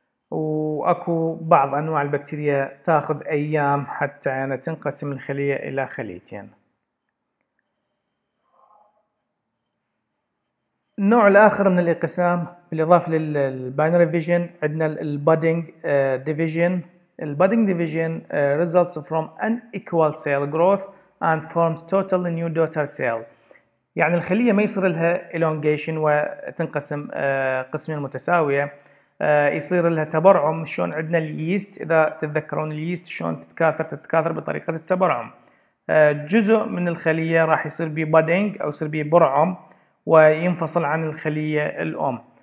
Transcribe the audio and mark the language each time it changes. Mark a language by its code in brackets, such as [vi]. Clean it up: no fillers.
[ar] وأكو بعض أنواع البكتيريا تأخذ أيام حتى يعني تنقسم الخلية إلى خليتين. النوع الآخر من الانقسام بالإضافة للباينري فيجن عندنا البادينج ديفيجن. [en] البادينج division results from unequal cell growth and forms total new daughter cell. [ar] يعني الخلية ما يصير لها elongation وتنقسم قسمين متساوية، يصير لها تبرعم. شلون عندنا اليست، إذا تتذكرون اليست شلون تتكاثر، تتكاثر بطريقة التبرعم. جزء من الخلية راح يصير بي بادينج أو يصير بي برعم وينفصل عن الخلية الأم.